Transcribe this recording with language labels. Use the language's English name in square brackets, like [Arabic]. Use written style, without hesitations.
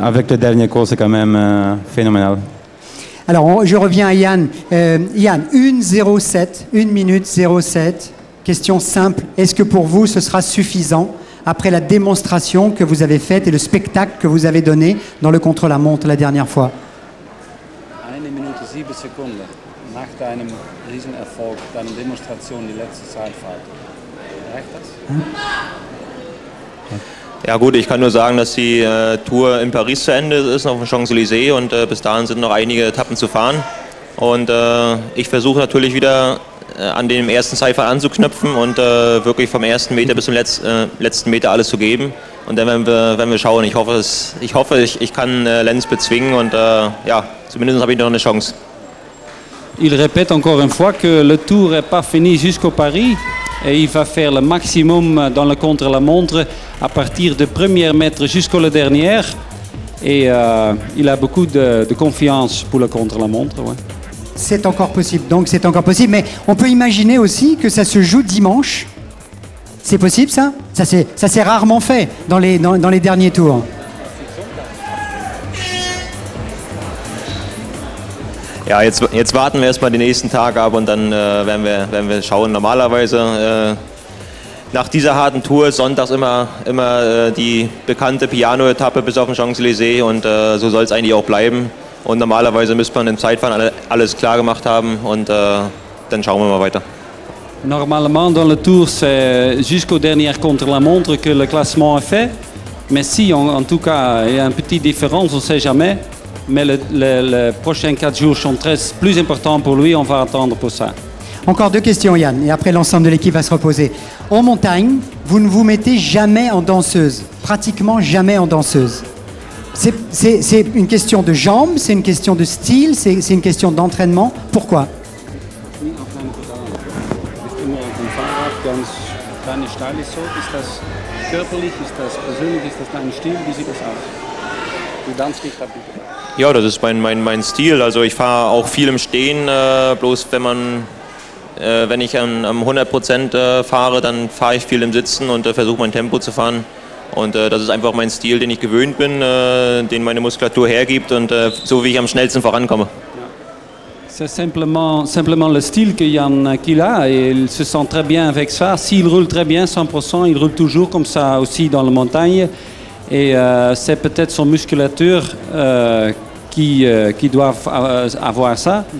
[French] Avec le dernier col, c'est quand même phénoménal. Alors, je reviens à Yann. Yann, 1:07, 1:07. Question simple. Est-ce que pour vous, ce sera suffisant après la démonstration que vous avez faite et le spectacle que vous avez donné dans le contre-la-montre la dernière fois? [German] 1:07, nach deinem Riesenerfolg, deine Demonstration, die letzte Zeitfahrt. Ja gut, ich kann nur sagen, dass die Tour in Paris zu Ende ist, auf dem Champs-Élysées, und bis dahin sind noch einige Etappen zu fahren. Und ich versuche natürlich wieder an dem ersten Zeitfahrt anzuknüpfen und wirklich vom ersten Meter bis zum letzten Meter alles zu geben. Und dann werden wir schauen. Ich hoffe, ich kann Lenz bezwingen, und ja, zumindest habe ich noch eine Chance. [French] Il répète encore une fois que le Tour est pas fini jusqu'au Paris. Et il va faire le maximum dans le contre-la-montre à partir de premier mètre jusqu'au dernier. Et il a beaucoup de confiance pour le contre-la-montre. Ouais. C'est encore possible, donc c'est encore possible. Mais on peut imaginer aussi que ça se joue dimanche. C'est possible ça? Ça s'est rarement fait dans les derniers tours. [German] Ja, jetzt warten wir erstmal den nächsten Tag ab, und dann werden wir schauen. Normalerweise nach dieser harten Tour ist sonntags immer die bekannte Piano-Etappe bis auf den Champs-Élysées, und so soll es eigentlich auch bleiben. Und normalerweise müsste man im Zeitfahren alles klar gemacht haben, und dann schauen wir mal weiter. [French] Normalement dans le Tour c'est jusqu'au dernier contre-la-montre que le classement est fait, mais si en tout cas il y a une petite différence, on ne sait jamais. Mais les prochains 4 jours sont très plus importants pour lui, on va attendre pour ça. Encore 2 questions Yann, et après l'ensemble de l'équipe va se reposer. En montagne, vous ne vous mettez jamais en danseuse, pratiquement jamais en danseuse. C'est une question de jambes, c'est une question de style, c'est une question d'entraînement. Pourquoi ? [German] Ja, das ist mein Stil. Also ich fahre auch viel im Stehen, bloß wenn ich am 100% fahre, dann fahre ich viel im Sitzen und versuche mein Tempo zu fahren. Und das ist einfach mein Stil, den ich gewöhnt bin, den meine Muskulatur hergibt, und so wie ich am schnellsten vorankomme. [French] C'est simplement le style que Yann qu'il a, et il se sent très bien avec ça. S'il roule très bien, 100%, il roule toujours comme ça aussi dans la montagne. Et c'est peut-être son musculature qui doit avoir ça.